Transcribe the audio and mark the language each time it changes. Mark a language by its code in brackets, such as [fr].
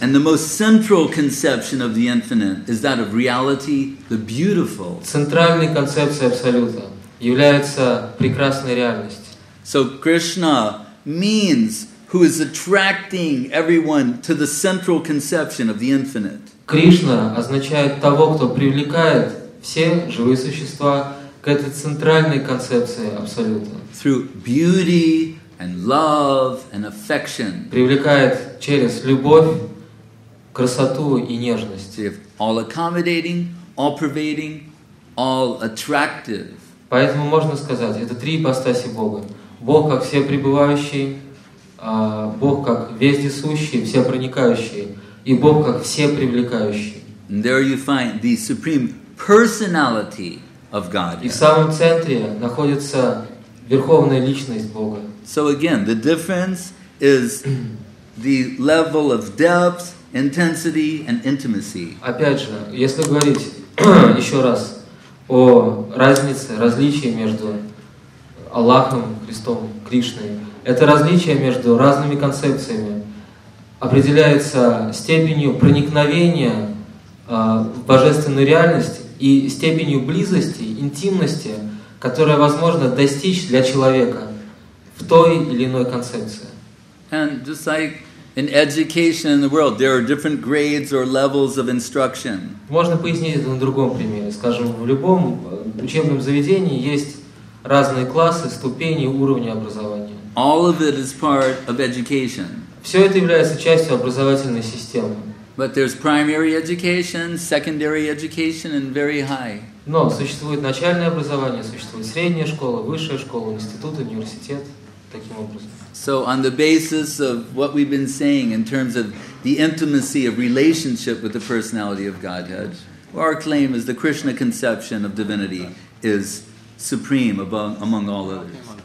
[en] And the most central conception of the infinite is that of reality, the beautiful. [ru] Центральной концепцией Абсолюта является прекрасной реальность. [en] So Krishna means who is attracting everyone to the central conception of the infinite. [ru] Кришна означает того, кто привлекает все живые существа к этой центральной концепции Абсолюта. [en] Through beauty and love and affection. [ru] Привлекает через любовь, красоту и нежность. [en] So all accommodating, all pervading, all attractive. [ru] Поэтому можно сказать, это три ипостаси Бога. Бог как всепребывающий, Бог как вездесущий, всепроникающий, и Бог как всепривлекающий. [en] And there you find the supreme personality of God. [ru] И в самом центре находится верховная личность Бога. [en] So again, the difference is the level of depth, intensity, and intimacy. [ru] Опять же, если говорить еще раз, о разнице, различии между Аллахом, Христом, Кришной. Это различие между разными концепциями определяется степенью проникновения в божественную реальность и степенью близости, интимности, которая возможно достичь для человека в той или иной концепции. [en] And just like in education in the world, there are different grades or levels of instruction. [ru] Можно пояснить это на другом примере. Скажем, в любом учебном заведении есть разные классы, ступени, уровни образования. [en] All of it is part of education. [ru] Все это является частью образовательной системы. [en] But there's primary education, secondary education, and very high. [ru] Но существует начальное образование, существует средняя школа, высшая школа, институт, университет. [en] So on the basis of what we've been saying in terms of the intimacy of relationship with the personality of Godhead, our claim is the Krishna conception of divinity is supreme among all others.